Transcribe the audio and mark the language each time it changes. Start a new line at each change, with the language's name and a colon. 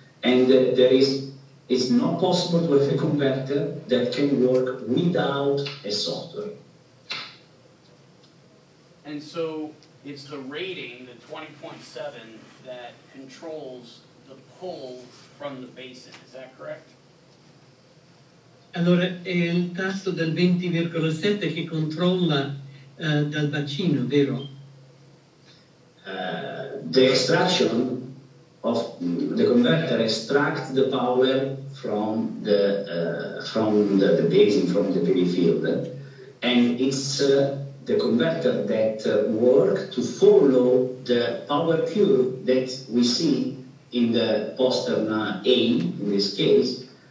English: And it's not possible to have a converter that can work without a software. And so it's the rating, the 20.7, that controls the pull from the basin, is that correct?
Italian: Allora, è il tasto del 20.7 che controlla dal bacino, vero?
English: The extraction of the converter extracts the power from the basin, from the PV field, and it's the converter that works to follow the power curve that we see in the postern A in this case,